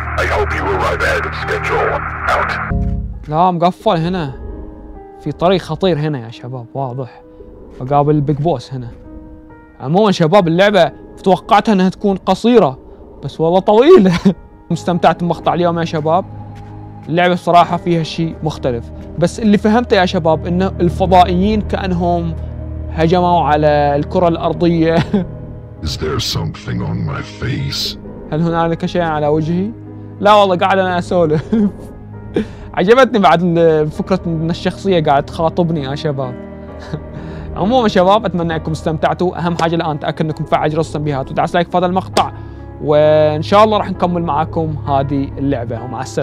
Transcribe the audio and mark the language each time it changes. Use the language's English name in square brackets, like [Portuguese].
[English] I hope you arrive ahead of schedule. Out. [Arabic] لا مقفل هنا. في طريق خطير هنا يا شباب واضح. بقابل البيج بوس هنا. عموما شباب اللعبة توقعتها انها تكون قصيرة بس والله طويلة. مستمتعت بمقطع اليوم يا شباب. اللعبة الصراحة فيها شيء مختلف. بس اللي فهمته يا شباب ان الفضائيين كأنهم هجموا على الكرة الأرضية. [English] Is there something on my face? [Arabic] هل هنالك شيء على وجهي؟ لا والله قاعد انا اسولف. عجبتني بعد فكرة ان الشخصية قاعد تخاطبني يا شباب. عموما شباب اتمنى انكم استمتعتوا. اهم حاجة الان تأكد انكم فعل جرس التنبيهات ودعس لايك في هذا المقطع، وان شاء الله راح نكمل معاكم هذه اللعبة. ومع السلامة.